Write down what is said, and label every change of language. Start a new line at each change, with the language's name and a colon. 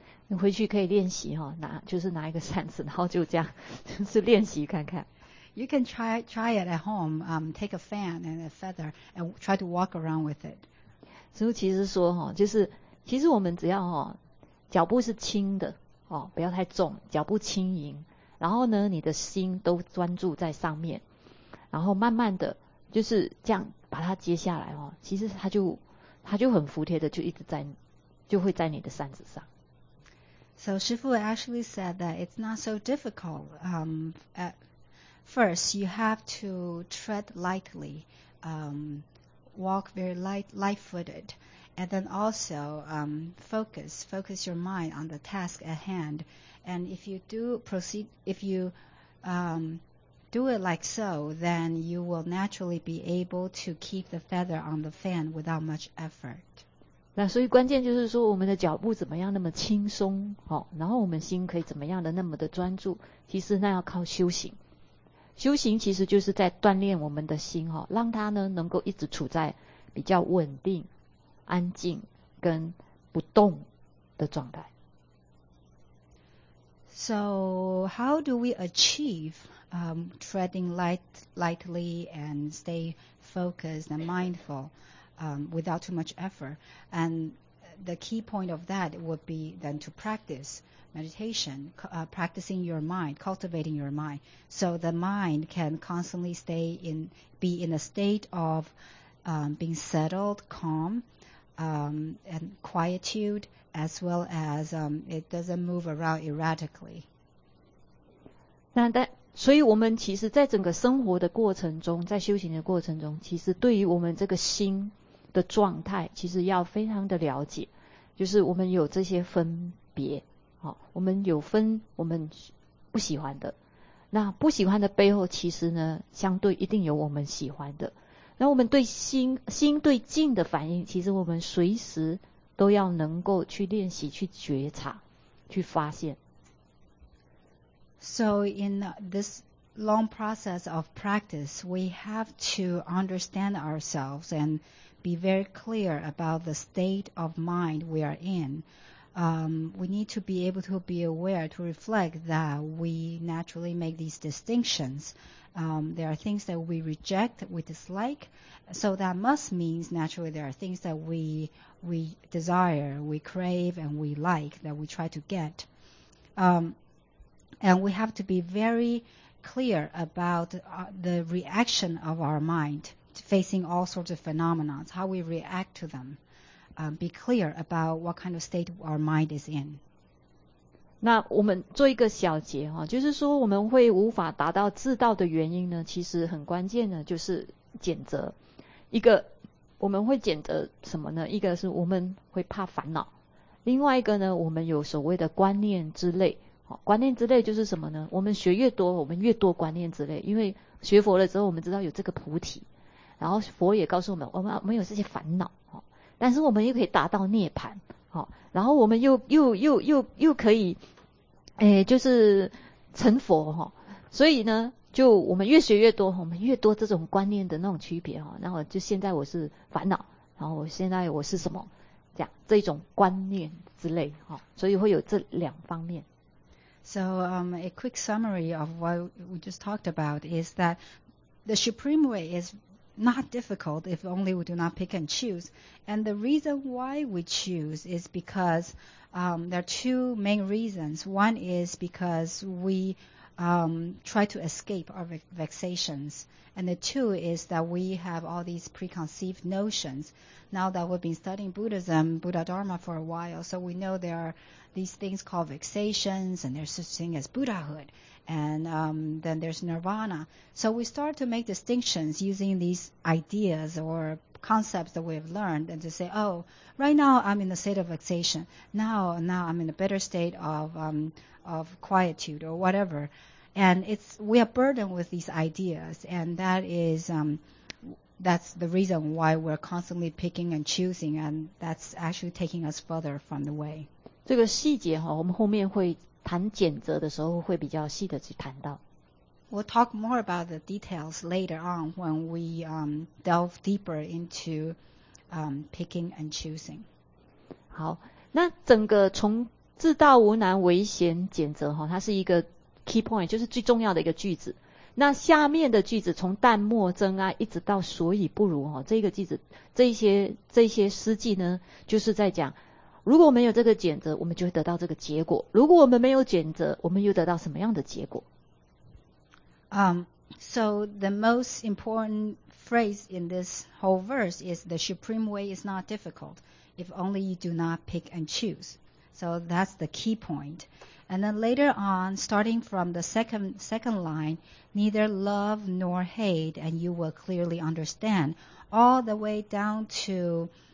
Chinese: 你回去可以练习哦，拿就是拿一个扇子，然后就这样，就是练习看看。
English: You can try it at home. Take a fan and a feather and try to walk around with it.
Chinese: 所以其实说哈，就是其实我们只要哈，脚步是轻的哦，不要太重，脚步轻盈。然后呢，你的心都专注在上面，然后慢慢的就是这样把它接下来哦。其实它就很服帖的，就一直在，就会在你的扇子上。
English: So, Shifu actually said that it's not so difficult. At first, you have to tread lightly, walk very light-footed, and then also focus your mind on the task at hand. And if you do proceed, if you do it like so, then you will naturally be able to keep the feather on the fan without much effort.
Chinese: 那所以关键就是说我们的脚步怎么样那么轻松、哦、然后我们心可以怎么样的那么的专注，其实那要靠修行。修行其实就是在锻炼我们的心、哦、让它呢能够一直处在比较稳定安静跟不动的状态。
English: So how do we achieve treading lightly and stay focused and mindfulwithout too much effort? And the key point of that would be then to practice meditation, practicing your mind, cultivating your mind, so the mind can constantly stay in, be in a state of being settled, calm, and quietude, as well as it doesn't move around erratically.
Chinese: 那但所以我们其实在整个生活的过程中，在修行的过程中，其实对于我们这个心的状态其实要非常的了解，就是我们有这些分别、哦、我们有分我们不喜欢的，那不喜欢的背后其实呢相对一定有我们喜欢的，那我们对心对境的反应，其实我们随时都要能够去练习去觉察去发现。
English: So in thisLong process of practice, we have to understand ourselves and be very clear about the state of mind we are in. We need to be able to be aware, to reflect that we naturally make these distinctions. There are things that we reject, we dislike, so that must mean naturally there are things that we desire, we crave, and we like, that we try to get. And we have to be very... clear about the reaction of our mind facing all sorts of phenomena, how we react to them. Be clear about what kind of state our mind is in.
Chinese: 那我们做一个小结、哦、就是说我们会无法达到自道的原因呢，其实很关键的就是拣择。一个我们会拣择什么呢？一个是我们会怕烦恼，另外一个呢，我们有所谓的观念之类。观念之类就是什么呢？我们学越多，我们越多观念之类，因为学佛了之后我们知道有这个菩提，然后佛也告诉我们我们没有这些烦恼，但是我们又可以达到涅槃，然后我们又可以、欸、就是成佛，所以呢就我们越学越多，我们越多这种观念的那种区别，然后就现在我是烦恼，然后我现在我是什么，这样这种观念之类，所以会有这两方面。
English: So a quick summary of what we just talked about is that the Supreme Way is not difficult if only we do not pick and choose. And the reason why we choose is because there are two main reasons. One is because we try to escape our vexations. And the two is that we have all these preconceived notions. Now that we've been studying Buddhism, Buddha Dharma for a while, so we know there are these things called vexations, and there's such thing as Buddhahood, and then there's Nirvana. So we start to make distinctions using these ideas or concepts that we have learned, and to say, oh, right now I'm in the state of vexation. Now I'm in a better state of quietude or whatever. And we are burdened with these ideas, and that is that's the reason why we're constantly picking and choosing, and that's actually taking us further from the way.
Chinese: 这个细节哈，我们后面会谈拣择的时候会比较细的去谈到。
English: We'll talk more about the details later on when we delve deeper into picking and choosing.
Chinese: 好，那整个从自大无难危险拣择哈，它是一个 key point， 就是最重要的一个句子。那下面的句子从淡漠真爱一直到所以不如哈，这个句子这些诗句呢，就是在讲。如果没有这个拣择，我们就会得到这个结果。如果我们没有拣择，我们又得到什么样的结果？
English: So the most important phrase in this whole verse is the supreme way is not difficult if only you do not pick and choose. So that's the key point. And then later on, starting from the second line, neither love nor hate, and you will clearly understand all the way down to.